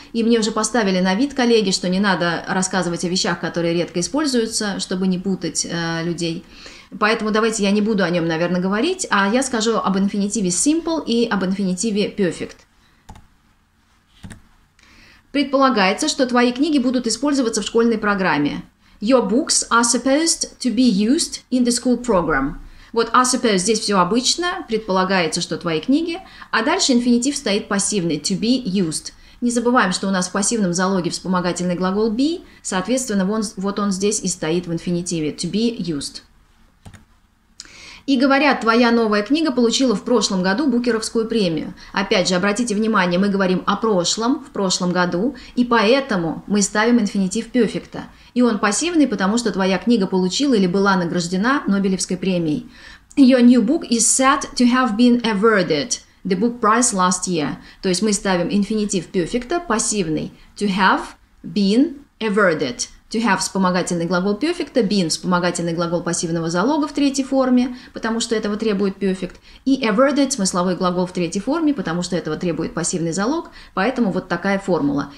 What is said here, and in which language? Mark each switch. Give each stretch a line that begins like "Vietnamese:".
Russian: И мне уже поставили на вид коллеги, что не надо рассказывать о вещах, которые редко используются, чтобы не путать людей. Поэтому давайте я не буду о нем, наверное, говорить, а я скажу об инфинитиве simple и об инфинитиве perfect. Предполагается, что твои книги будут использоваться в школьной программе.
English: Your books are supposed to be used in the school program.
Russian: Вот are supposed, здесь все обычно, предполагается, что твои книги. А дальше инфинитив стоит пассивный, to be used. Не забываем, что у нас в пассивном залоге вспомогательный глагол be, соответственно, вот он здесь и стоит в инфинитиве, to be used. И говорят, твоя новая книга получила в прошлом году Букеровскую премию. Опять же, обратите внимание, мы говорим о прошлом, в прошлом году, и поэтому мы ставим инфинитив перфекта. И он пассивный, потому что твоя книга получила или была награждена Нобелевской премией.
English: Your new book is said to have been awarded the book prize last year.
Russian: То есть мы ставим инфинитив перфекта, пассивный.
English: To have been awarded.
Russian: To have – вспомогательный глагол перфекта, been – вспомогательный глагол пассивного залога в третьей форме, потому что этого требует перфект, и awarded – смысловой глагол в третьей форме, потому что этого требует пассивный залог, поэтому вот такая формула.